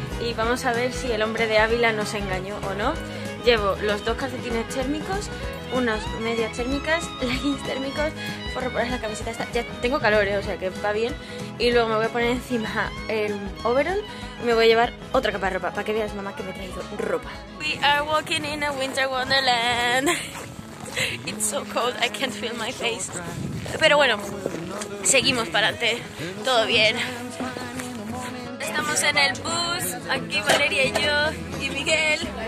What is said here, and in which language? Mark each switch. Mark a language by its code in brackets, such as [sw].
[es] Y vamos a ver si el hombre de Ávila nos engañó o no. Llevo los dos calcetines térmicos, unas medias térmicas, leggings térmicos, por reponer la camiseta esta. Ya tengo calor, o sea que va bien. Y luego me voy a poner encima el overall y me voy a llevar otra capa de ropa, para que veas, mamá, que me he traído ropa. [en] We are walking in a winter wonderland. It's so cold, I can't feel my face. [es] Pero bueno, seguimos para adelante, todo bien. Estamos en el bus, aquí Valeria y yo y Miguel.